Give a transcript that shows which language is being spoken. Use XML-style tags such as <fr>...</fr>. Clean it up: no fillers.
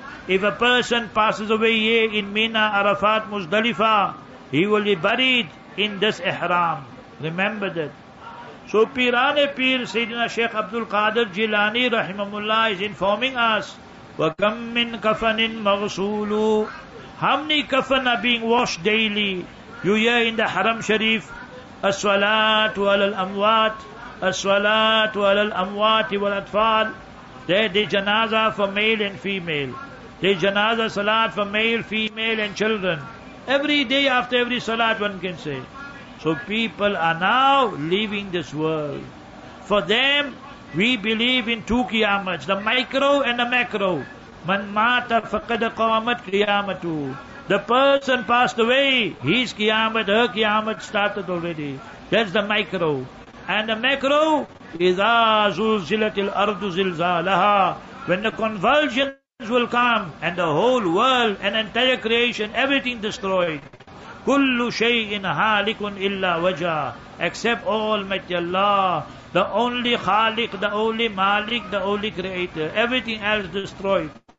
<en>If a person passes away here in Mina, Arafat, Muzdalifah, he will be buried in this ihram. Remember that. So Piran-e-Pir, Sayyidina Shaykh Abdul Qadir Jilani, Rahimahullah, is informing us,</en> <ar>وَكَمْ مِنْ كَفَنٍ مَغْسُولُ.</ar> <en>How many kafan are being washed daily? You hear in the Haram Sharif,</en> <ar>الصَّلَاةُ عَلَى الْأَمْوَاتِ الصَّلَاةُ عَلَى الْأَمْوَاتِ وَالْأَطْفَالِ.</ar> <en>There the janaza for male and female. The janaza salat for male, female and children. Every day after every salat one can say. So people are now leaving this world. For them, we believe in two qiyamats, the micro and the macro.</en> <ar>Man mata faqad qamat qiyamatu.</ar> <en>The person passed away, his qiyamat, her qiyamat started already. That's the micro. And the macro,</en> <ar>إِذَا زُلْزِلَتِ الْأَرْضُ زِلْزَالَهَا.</ar> <en>When the convulsions will come, and the whole world, and entire creation, everything destroyed.</en> <ar>كُلُّ شَيْءٍ هَالِكٌ إِلَّا وَجَهَا.</ar> <en>Except Almighty Allah, the only Khaliq, the only Malik, the only Creator. Everything else destroyed.</en>